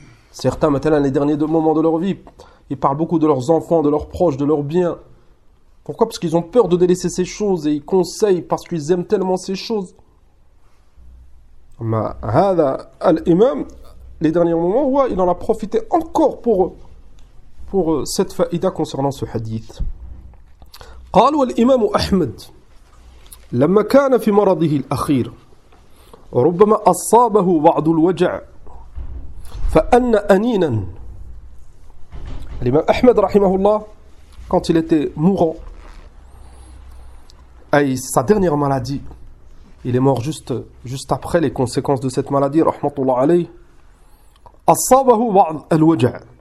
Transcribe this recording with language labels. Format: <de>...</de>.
<fr>Certains, maintenant, les derniers moments de leur vie, ils parlent beaucoup de leurs enfants, de leurs proches, de leurs biens. Pourquoi? Parce qu'ils ont peur de délaisser ces choses et ils conseillent parce qu'ils aiment tellement ces choses. Mais</fr> <ar>هذا الإمام,</ar> <fr>les derniers moments, ouais, il en a profité encore pour cette faïda concernant ce hadith.</fr> <ar>قال والإمام أحمد لما كان في مرضه الأخير ربما أصابه بعض الوجع فأن أنينا.</ar> <fr>L'imam Ahmed rahimahullah, quand il était mourant, sa dernière maladie, il est mort juste après les conséquences de cette maladie, rahmatullah alayhi,</fr> <ar>أصابه بعض الوجع.</ar>